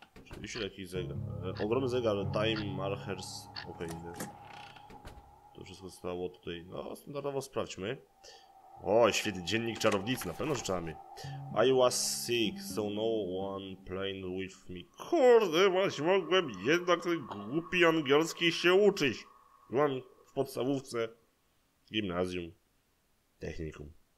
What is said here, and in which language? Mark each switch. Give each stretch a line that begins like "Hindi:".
Polish: Oczywiście taki zegar. Ogromny zegar, time markers. Okej, okay. To wszystko stało tutaj. No, standardowo sprawdźmy. O, świetny dziennik czarownicy, na pewno rzeczami.
English: I was sick, so no one playing with me.
Polish: Kurde, właśnie mogłem jednak ten głupi angielski się uczyć. Byłem w podstawówce, gimnazjum, technikum.